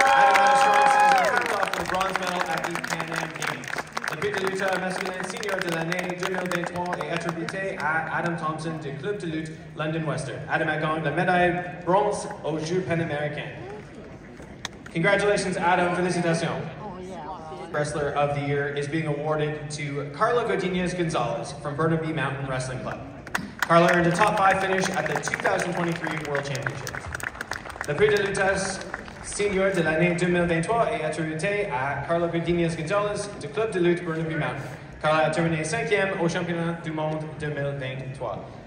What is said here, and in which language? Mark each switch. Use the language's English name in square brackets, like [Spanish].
[English] Adam Ashraf is going to start off with a bronze medal at the Can-Am Games. [French] La Pique de Lutte Masculine Senior de l'année 2023 est attribuée à Adam Thompson du Club de Lutte London Western. Adam a gagné la médaille bronze aux Jeux Panaméricains. [English] Congratulations, Adam. Félicitations. Wrestler of the Year is being awarded to Carla Godinez Gonzalez from Burnaby Mountain Wrestling Club. Carla earned a top 5 finish at the 2023 World Championships. [French] La Prix de Lutte Senior de l'année 2023 est attribué à Carla Godinez Gonzalez du Club de Lutte Burnaby Mountain. Carla a terminé 5e au Championnat du Monde 2023.